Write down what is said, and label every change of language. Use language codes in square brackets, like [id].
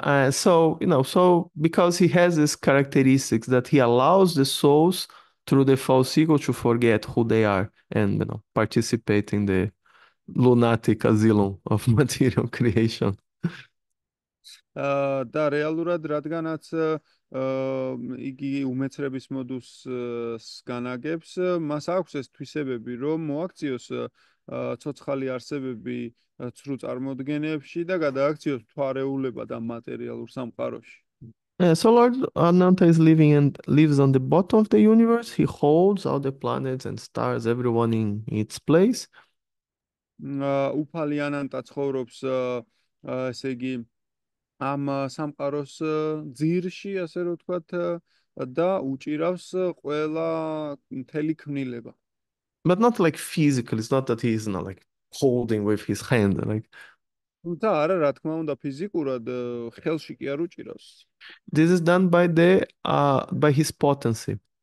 [en] So because he has these characteristics that he allows the souls through the false ego to forget who they are and participate in the lunatic asylum of material creation. [ka] Და რეალურად, რადგანაც იგი უმეცრების მოდუსს განაგებს, მას აქვს ეს თვისებები, რომ მოაქციოს ცოცხალი არსებები ცრუ წარმოდგენებში და გადააქციოს თვარეულება და მატერიალურ სამყაროში. [en] So Lord Ananta is living and lives on the bottom of the universe. He holds all the planets and stars, everyone in its place. [ka] უფალი ანანტა ცხოვრობს, ესე იგი ამ სამყაროს ძირში, ასე რომ ვთქვათ, და უჭირავს ყველა მთელი ქმნილება. [en] But not like physically. It's not that he is not like holding with his hand, like. [ka] თუმცა არა, რა თქმა უნდა, ფიზიკურად ხელში კი არ უჭირავს. [en] This is done by his potency.